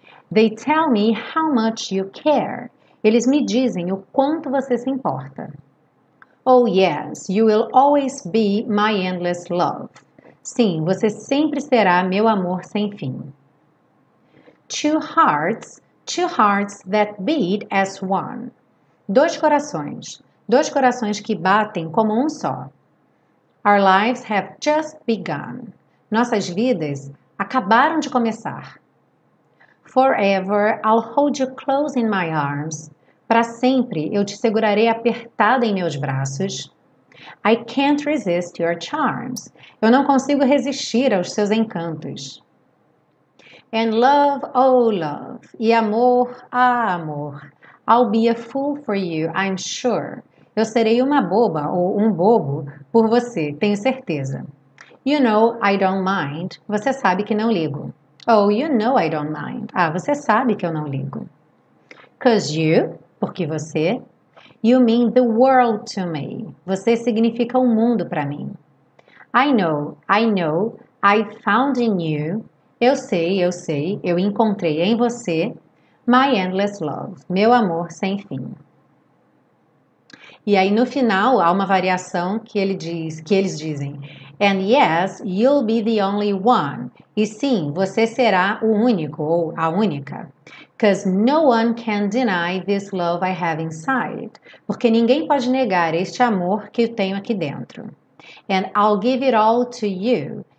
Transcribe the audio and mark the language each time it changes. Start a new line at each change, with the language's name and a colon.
English: They tell me how much you care.
Portuguese: Eles me dizem o quanto você se importa.
English: Oh yes, you will always be my endless love.
Portuguese: Sim, você sempre será meu amor sem fim.
English: Two hearts that beat as one.
Portuguese: Dois corações que batem como um só.
English: Our lives have just begun.
Portuguese: Nossas vidas acabaram de começar.
English: Forever, I'll hold you close in my arms.
Portuguese: Para sempre, eu te segurarei apertada em meus braços.
English: I can't resist your charms.
Portuguese: Eu não consigo resistir aos seus encantos.
English: And love, oh love.
Portuguese: E amor, ah amor.
English: I'll be a fool for you, I'm sure.
Portuguese: Eu serei uma boba ou um bobo por você, tenho certeza.
English: You know I don't mind.
Portuguese: Você sabe que não ligo.
English: Oh, you know I don't mind.
Portuguese: Ah, você sabe que eu não ligo.
English: 'Cause you,
Portuguese: porque você...
English: You mean the world to me.
Portuguese: Você significa o mundo para mim.
English: I know. I found in you.
Portuguese: Eu sei. Eu encontrei em você.
English: My endless love.
Portuguese: Meu amor sem fim. E aí no final há uma variação que eles dizem.
English: And yes, you'll be the only one.
Portuguese: E sim, você será o único ou a única.
English: 'Cause no one can deny this love I have inside.
Portuguese: Porque ninguém pode negar este amor que eu tenho aqui dentro.
English: And I'll give it all to you.